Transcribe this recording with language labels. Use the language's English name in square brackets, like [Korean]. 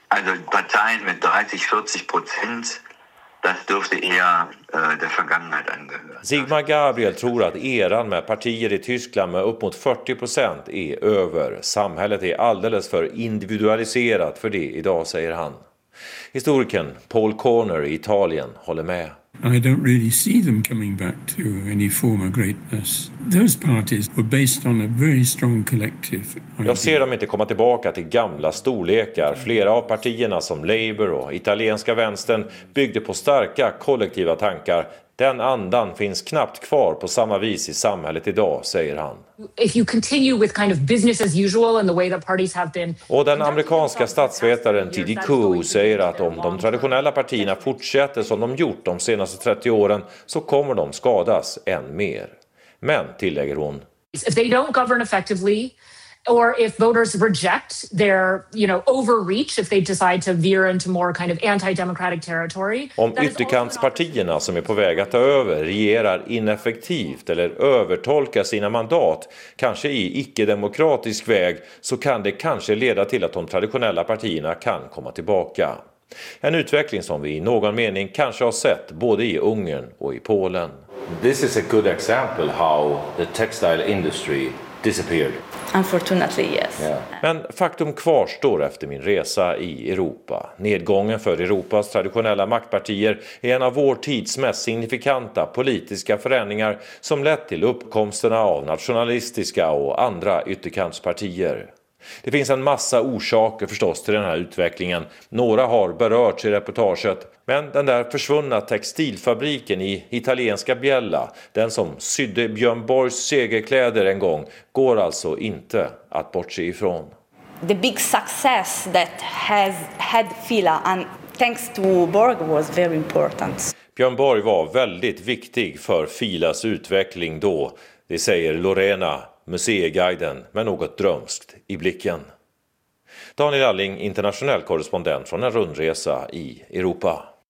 [German] Also Parteien mit 30-40%. [Swedish] Sigmar Gabriel tror att eran med partier i Tyskland med upp mot 40% är över. Samhället är alldeles för individualiserat för det idag, säger han. Historikern Paul Corner i Italien håller med. [English] I don't really see them coming back to any form of greatness. Those parties were based on a very strong collective. [Swedish] Jag ser dem inte komma tillbaka till gamla storlekar. Flera av partierna som Labour och italienska vänstern byggde på starka kollektiva tankar. Den andan finns knappt kvar på samma vis i samhället idag, säger han. [English] If you continue with kind of business as usual and the way that parties have been. [Swedish] Och den amerikanska statsvetaren T.D. Coe säger att om de traditionella partierna fortsätter som de gjort de senaste 30 åren så kommer de skadas än mer. Men, tillägger hon. [English] If they don't govern effectively or if voters reject their, you know, overreach if they decide to veer into more kind of anti-democratic territory. [Swedish] Om ytterkantspartierna som är på väg att ta över regerar ineffektivt eller övertolkar sina mandat, kanske i icke-demokratisk väg, så kan det kanske leda till att de traditionella partierna kan komma tillbaka. En utveckling som vi i någon mening kanske har sett både i Ungern och i Polen. [English] This is a good example how the textile industry disappeared. Unfortunately, yes. Yeah. [Swedish] Men faktum kvarstår efter min resa i Europa. Nedgången för Europas traditionella maktpartier är en av vår tids mest signifikanta politiska förändringar som lett till uppkomsterna av nationalistiska och andra ytterkantspartier. Det finns en massa orsaker förstås till den här utvecklingen. Några har berörts i reportaget. Men den där försvunna textilfabriken i italienska Biella, den som sydde Björn Borgs segerkläder en gång, går alltså inte att bortse ifrån. [English] The big success that has had Fila and thanks to Borg was very important. [Swedish] Björn Borg var väldigt viktig för Filas utveckling då, det säger Lorena, museiguiden, med något drömskt i blicken. Daniel Alling, internationell korrespondent från en rundresa i Europa.